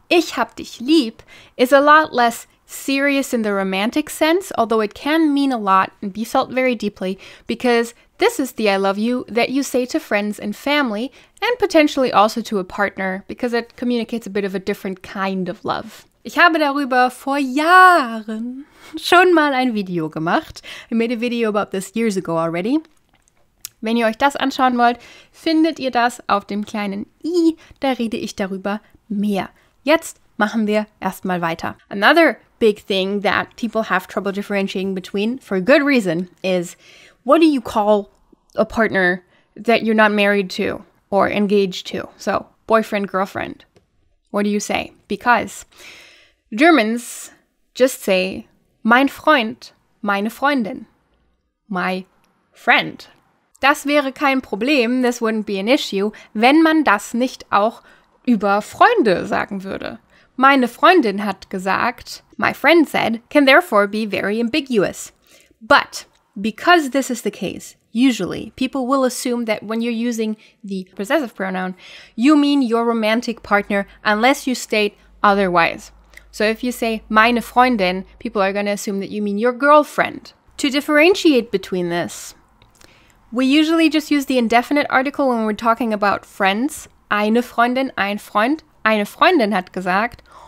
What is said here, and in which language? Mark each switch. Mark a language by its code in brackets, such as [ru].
[de] Ich hab dich lieb [en] is a lot less serious in the romantic sense, although it can mean a lot and be felt very deeply, because this is the I love you that you say to friends and family, and potentially also to a partner, because it communicates a bit of a different kind of love. [de] Ich habe darüber vor Jahren schon mal ein Video gemacht. [en] I made a video about this years ago already. [de] Wenn ihr euch das anschauen wollt, findet ihr das auf dem kleinen i. Da rede ich darüber mehr. Jetzt machen wir erstmal weiter. [en] Another big thing that people have trouble differentiating between, for good reason, is what do you call a partner that you're not married to or engaged to? So, boyfriend, girlfriend. What do you say? Because Germans just say, [de] mein Freund, meine Freundin, [en] my friend. [de] Das wäre kein Problem, [en] this wouldn't be an issue, [de] wenn man das nicht auch über Freunde sagen würde. Meine Freundin hat gesagt, [en] my friend said, can therefore be very ambiguous. But because this is the case, usually, people will assume that when you're using the possessive pronoun, you mean your romantic partner, unless you state otherwise. So if you say, [de] meine Freundin, [en] people are going to assume that you mean your girlfriend. To differentiate between this, we usually just use the indefinite article when we're talking about friends. [de] Eine Freundin, ein Freund, eine Freundin hat gesagt.